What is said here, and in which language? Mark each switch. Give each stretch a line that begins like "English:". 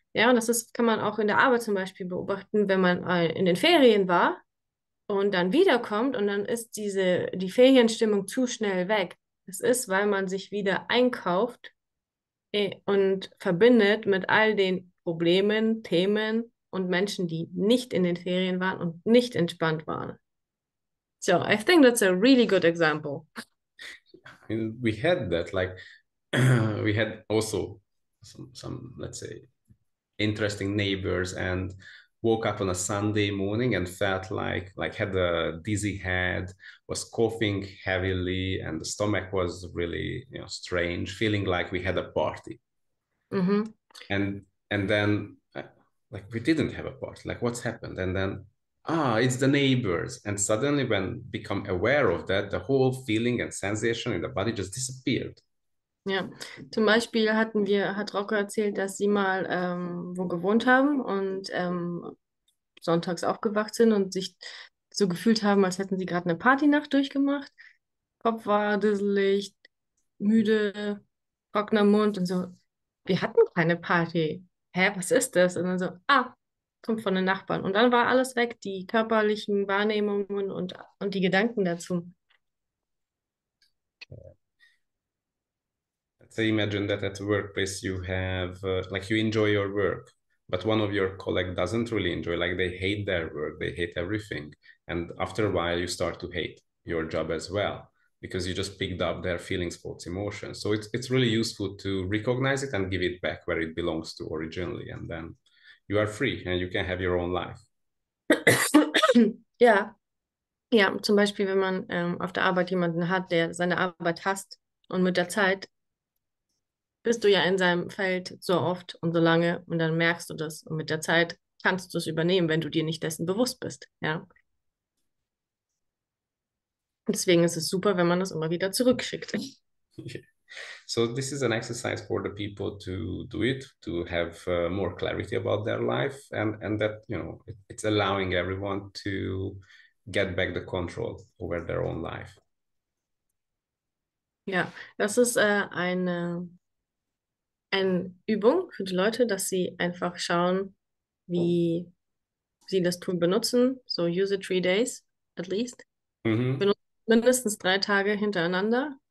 German: Ja, und das ist, kann man auch in der Arbeit zum Beispiel beobachten, wenn man in den Ferien war und dann wiederkommt und dann ist die Ferienstimmung zu schnell weg. Das ist, weil man sich wieder einkauft und verbindet mit all den Problemen, Themen und Menschen, die nicht in den Ferien waren und nicht entspannt waren.
English: So, I think that's a really good example. We had that, like, we had also some, let's say, interesting neighbors and woke up on a Sunday morning and felt like had a dizzy head, was coughing heavily, and the stomach was really, you know, strange, feeling like we had a party. Mm-hmm. And then, like, we didn't have a party. Like, what's happened? And then, it's the neighbors. And suddenly when become aware of that, the whole feeling and sensation in the body just disappeared.
German: Ja, zum Beispiel hat Rocco erzählt, dass sie mal wo gewohnt haben und sonntags aufgewacht sind und sich so gefühlt haben, als hätten sie gerade eine Partynacht durchgemacht. Kopf war dusselig, müde, trockener Mund und so. Wir hatten keine Party. Hä, was ist das? Und dann so, kommt von den Nachbarn. Und dann war alles weg, die körperlichen Wahrnehmungen und die Gedanken dazu.
English: Say, imagine that at workplace you have, like, you enjoy your work, but one of your colleagues doesn't really enjoy, like, they hate their work, they hate everything. And after a while, you start to hate your job as well, because you just picked up their feelings, thoughts, emotions. So it's really useful to recognize it and give it back where it belongs to originally. And then you are free and you can have your own life. Yeah.
German: Yeah, zum Beispiel, wenn man auf der Arbeit jemanden hat, der seine Arbeit hasst und mit der Zeit bist du ja in seinem Feld so oft und so lange und dann merkst du das und mit der Zeit kannst du es übernehmen, wenn du dir nicht dessen bewusst bist, ja. Deswegen ist es super, wenn man das immer wieder zurückschickt.
English: So this is an exercise for the people to do it, to have more clarity about their life and that, you know, it's allowing everyone to get back the control over their own life.
German: Ja, das ist eine Übung für die Leute, dass sie einfach schauen, wie sie das Tool benutzen.
English: So use it 3 days at least. Mm-hmm.
German: Benutzen mindestens 3 Tage hintereinander.